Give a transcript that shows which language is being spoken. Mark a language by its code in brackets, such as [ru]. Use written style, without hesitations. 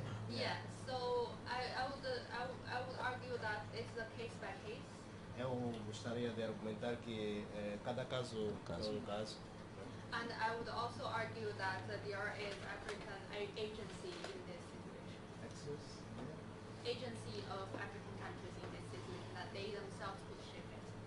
[en] Yeah, so I would argue that it's a case by case. [pt] Eu gostaria de argumentar que cada caso é um caso. [en] And I would also argue that there is African agency in this situation. Access? Agency of African countries in this situation that they themselves could ship it.